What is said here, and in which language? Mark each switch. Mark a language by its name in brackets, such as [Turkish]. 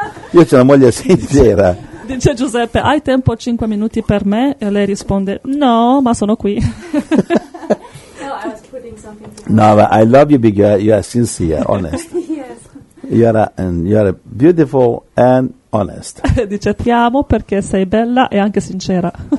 [Italian] Io c'ho una moglie sincera. Dice Giuseppe, hai tempo 5 minuti per me? E lei risponde, no, ma sono qui. [English] No, I was putting something. No, but I love you because you are sincere, honest. You are beautiful and honest. [Italian] Dice ti amo perché sei bella e anche sincera.